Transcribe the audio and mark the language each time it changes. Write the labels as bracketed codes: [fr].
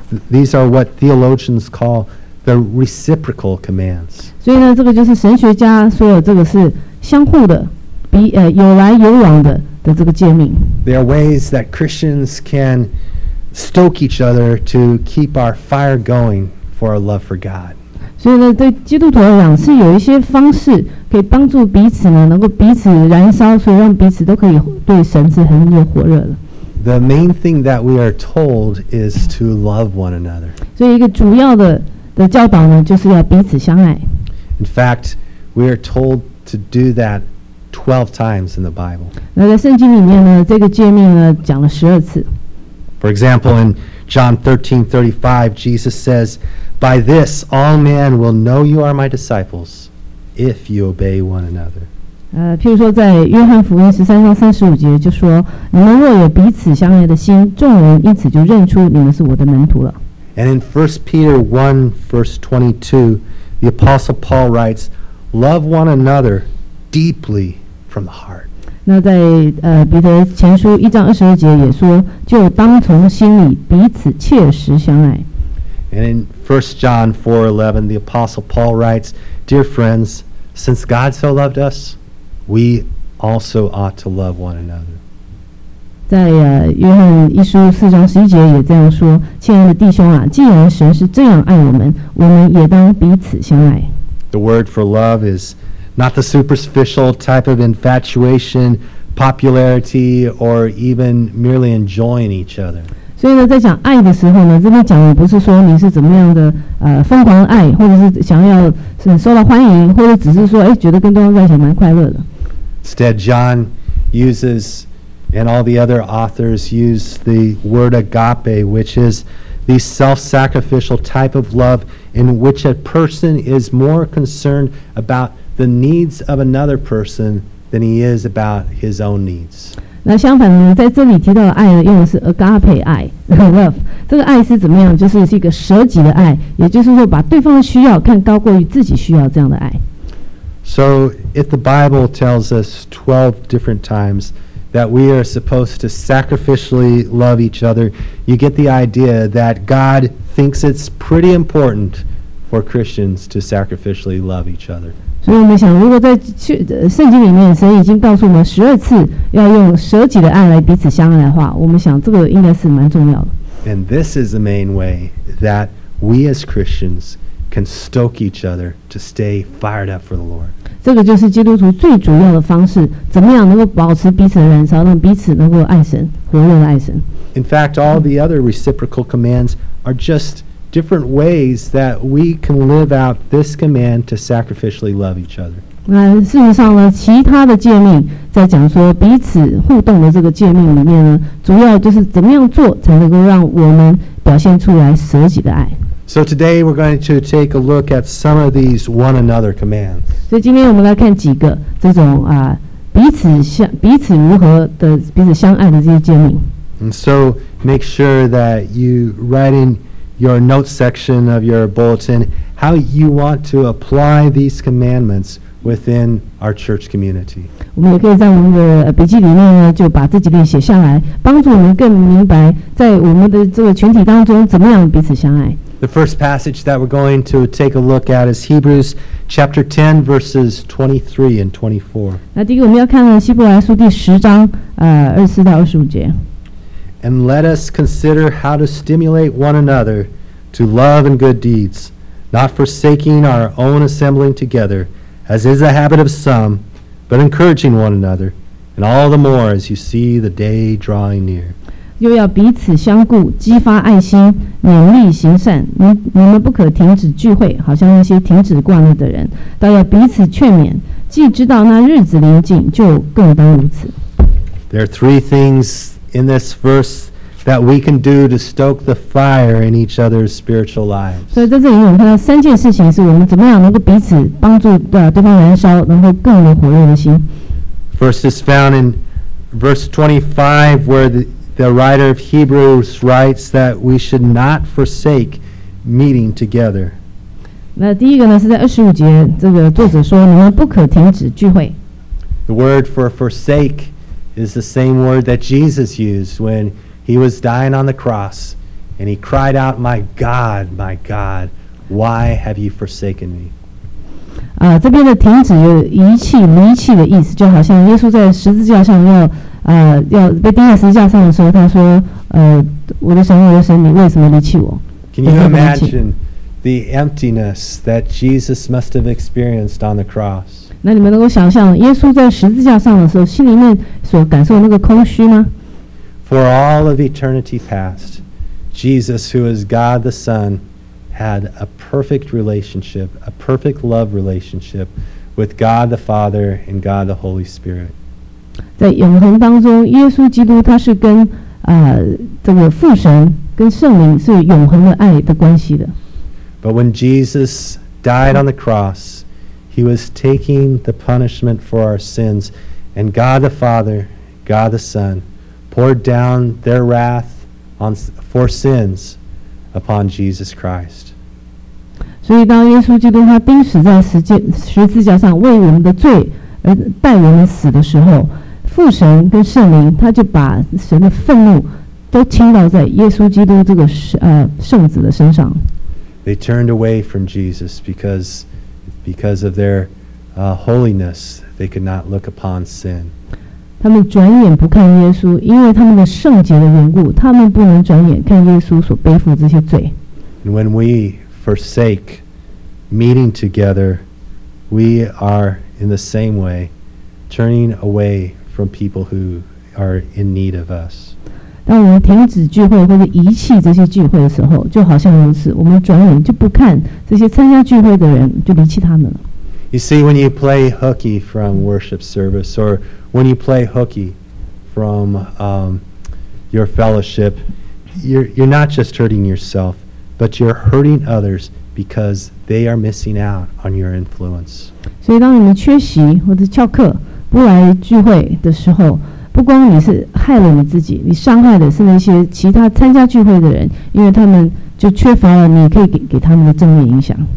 [en] These are what theologians call the reciprocal commands. [zh] 所以呢，这个就是神学家说的，这个是相互的，有来有往的这个诫命。 [en] There are ways that Christians can stoke each other to keep our fire going for our love for God. [zh] 所以呢，对基督徒来讲，是有一些方式可以帮助彼此呢，能够彼此燃烧，所以让彼此都可以对神是很有火热的。 [en] The main thing that we are told is to love one another. [zh] 所以一个主要的教导呢，就是要彼此相爱。 [en] In fact, we are told to do that 12 times in the Bible. [zh] 那在圣经里面呢，这个诫命呢，讲了12次。 [en] For example, in John 13:35, Jesus says, "By this all men will know you are my disciples, if you obey one another." [zh] 譬如说在约翰福音13:35就说，你们若有彼此相爱的心，众人因此就认出你们是我的门徒了。 [en] And in 1 Peter 1:22, the Apostle Paul writes, "Love one another deeply from the heart." [zh] 那在彼得前书1:22也说，就当从心里彼此切实相爱。 [en] And in 1 John 4:11, the Apostle Paul writes, "Dear friends, since God so loved us, we also ought to love one another." [zh] 在约翰1:11也这样说，亲爱的弟兄啊，既然神是这样爱我们，我们也当彼此相爱。 [en] The word for love is not the superficial type of infatuation, popularity, or even merely enjoying each other. [zh] 所以呢，在讲爱的时候呢，这边讲的不是说你是怎么样的疯狂的爱，或者是想要是受到欢迎，或者只是说觉得跟对方在一起蛮快乐的。 [en] Instead, John uses, and all the other authors use the word agape, which is the self-sacrificial type of love in which a person is more concerned about the needs of another person than he is about his own needs. [zh] 那相反呢，在这里提到的爱呢，用的是 agape 爱 love。这个爱是怎么样？就是一个舍己的爱，也就是说把对方的需要看高过于自己需要，这样的爱。 [en] So if the Bible tells us 12 different times that we are supposed to sacrificially love each other, you get the idea that God thinks it's pretty important for Christians to sacrificially love each other. [zh] 所以我们想，如果在圣经里面神已经告诉我们十二次要用舍己的爱来彼此相爱的话，我们想这个应该是蛮重要的。 [en] And this is the main way that we as Christians can stoke each other to stay fired up for the Lord. [zh] 这个就是基督徒最主要的方式，怎么样能够保持彼此的燃烧，让彼此能够爱神，活跃的爱神。 [en] In fact, all the other reciprocal commands are just different ways that we can live out this command to sacrificially love each other. [zh] 那事实上呢，其他的诫命在讲说彼此互动的这个诫命里面呢，主要就是怎么样做才能够让我们表现出来舍己的爱。 [en] So today we're going to take a look at some of these one another commands. [zh] 所以今天我们来看几个这种啊彼此如何的彼此相爱的这些诫命。 [en] And so make sure that you write in your notes section of your bulletin how you want to apply these commandments within our church community. [zh] 我们也可以在我们的笔记里面呢，就把这几点写下来，帮助我们更明白在我们的这个群体当中怎么样彼此相爱。 [en] The first passage that we're going to take a look at is Hebrews chapter 10, verses 23 and 24. [zh] 那第一个我们要看的希伯来书第十章24到25节。 [en] And let us consider how to stimulate one another to love and good deeds, not forsaking our own assembling together, as is the habit of some, but encouraging one another, and all the more as you see the day drawing near. [zh] 又要彼此相顾，激发爱心，勉励行善。你们不可停止聚会，好像那些停止惯了的人，倒要彼此劝勉。既知道那日子临近，就更当如此。 [en] There are three things in this verse that we can do to stoke the fire in each other's spiritual lives. [zh] 所以在这里，我们看到三件事情，是我们怎么样能够彼此帮助对方燃烧，能够更有火热的心。 [en] First is found in verse 25, where the writer of Hebrews writes that we should not forsake meeting together. [zh] 那第一个呢，是在二十五节，这个作者说你们不可停止聚会。 [en] The word for forsake is the same word that Jesus used when he was dying on the cross, and he cried out, my God, why have you forsaken me? [zh] 这边的停止有遗弃、离弃的意思，就好像耶稣在十字架上要被钉在十字架上的时候，他说：“我的神，我的神，你为什么离弃我？” [en] Can you imagine the emptiness that Jesus must have experienced on the cross? [zh] 那你们能够想象耶稣在十字架上的时候，心里面所感受的那个空虚吗 [en] ？For all of eternity past, Jesus, who is God the Son, had a perfect relationship, a perfect love relationship with God the Father and God the Holy Spirit. [zh] 在永恒当中，耶稣基督他是跟这个父神跟圣灵是永恒的爱的关系的。 [en] But when Jesus died on the cross, he was taking the punishment for our sins, and God the Father, God the Son, poured down their wrath on for sins upon Jesus Christ. [zh] 所以当耶稣基督他钉死在十字架上为我们的罪而代我们死的时候，父神跟圣灵，他就把神的愤怒都倾倒在耶稣基督这个圣子的身上。 [en] They turned away from Jesus because of their holiness, they could not look upon sin. [zh] 他们转眼不看耶稣，因为他们的圣洁的缘故，他们不能转眼看耶稣所背负这些罪。 [en] And when we forsake meeting together, we are in the same way turning away. From people who are in need of us. [zh] 当我们停止聚会或者遗弃这些聚会的时候，就好像如此，我们转眼就不看这些参加聚会的人，就离弃他们了。 [en] You see, when you play hooky from worship service, or when you play hooky from your fellowship, you're not just hurting yourself, but you're hurting others because they are missing out on your influence. [zh] 所以，当你们缺席或者翘课。不来聚会的时候，不光你是害了你自己，你伤害的是那些其他参加聚会的人，因为他们就缺乏了你可以 给他们的正面影响。